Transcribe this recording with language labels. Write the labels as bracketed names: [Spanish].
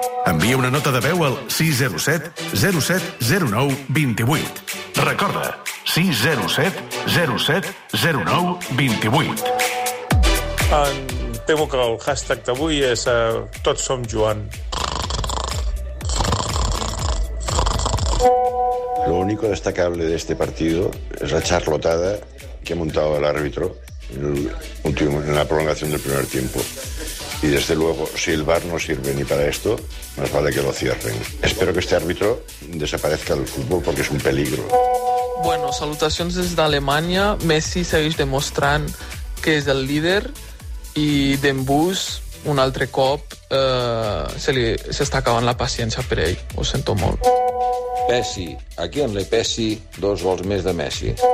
[Catalan] Envia una nota de veu al 607 0709 28. Recorda, 607 0709 28. Temo que el hashtag d'avui és Tots som Joan. [Spanish] Lo único destacable de este partido es la charlotada que ha montado el árbitro en la prolongación del primer tiempo. Y desde luego, si el VAR no sirve ni para esto, más vale que lo cierren. Espero que este árbitro desaparezca del fútbol porque es un peligro. Bueno, salutaciones desde Alemania. [Catalan] Messi segueix demostrant que és el líder i Dembús un altre cop s'està acabant la paciència per ell. Ho sento molt. Pessi, a qui en li pessi 2 gols més de Messi?